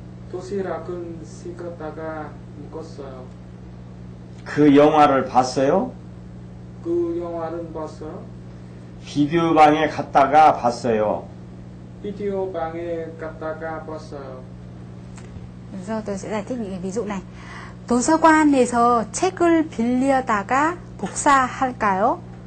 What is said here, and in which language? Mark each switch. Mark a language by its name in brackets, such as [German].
[Korean] 도시락은 시켰다가 먹었어요. 그 영화를 봤어요? 그 영화는 봤어요? 비디오방에 갔다가 봤어요. 비디오방에 갔다가 봤어요. [Vietnamese] Do tôi sẽ giải thích những cái ví dụ này. [Korean] 도서관에서 책을 빌려다가 복사할까요?